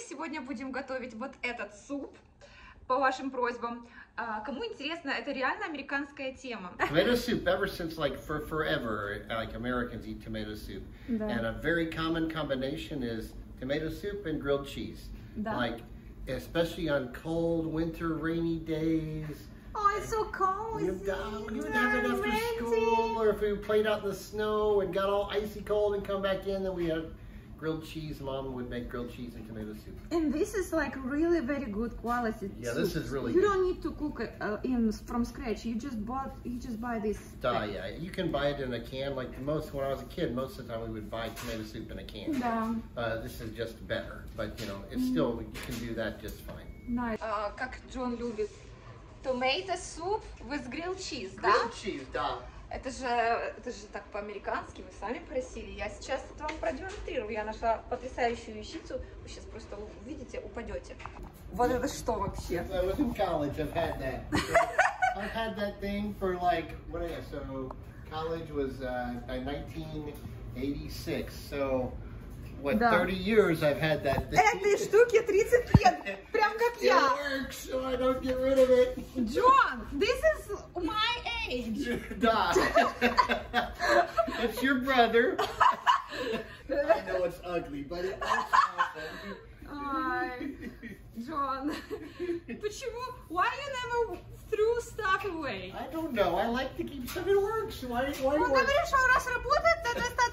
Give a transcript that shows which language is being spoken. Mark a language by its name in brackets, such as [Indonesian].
[Russian] Сегодня будем готовить вот этот суп по вашим просьбам. Кому интересно, это реально американская тема. [English] Tomato soup, ever since like for forever, like Americans eat tomato soup. [Russian] Да. [English] And a very common combination is tomato soup and grilled cheese. [Russian] Да. [English] Like, especially on cold winter rainy days. Oh, it's so cozy! We would have it after school, or if we played out in the snow and got all icy cold and come back in, then we had grilled cheese. Mom would make grilled cheese and tomato soup. And this is like really very good quality. Yeah, soup. This is really you good. Don't need to cook it in from scratch. You just buy this. Yeah, you can buy it in a can. Like most when I was a kid, most of the time we would buy tomato soup in a can. Yeah. This is just better, but you know, it's still you can do that just fine. Nice. [Russian] Как Джон любит [English] tomato soup with grilled cheese, [Russian] да? [English] Grilled cheese, да. [Russian] Это же так по-американски, вы сами просили. Я сейчас это вам продемонстрирую. Я нашла потрясающую вещицу. Вы сейчас просто увидите, упадете. Вот это что вообще? [English] I was in college, I've had that. So, I've had that thing for like, what are you, so college was 1986, so what, [Russian] да. [English] 30 years I've had that thing. [Russian] Этой штуке 30 лет, прям как [English] it [Russian] я. [English] It works, so I don't get rid of it. John, this is my age. Да. It's your brother. I know it's ugly, but it works. [Russian] Ай, Джон, почему? [English] Why you never threw stuff away? I don't know. I like to keep stuff. It works. Why? [Russian] Он говорит, что раз работает, то достать.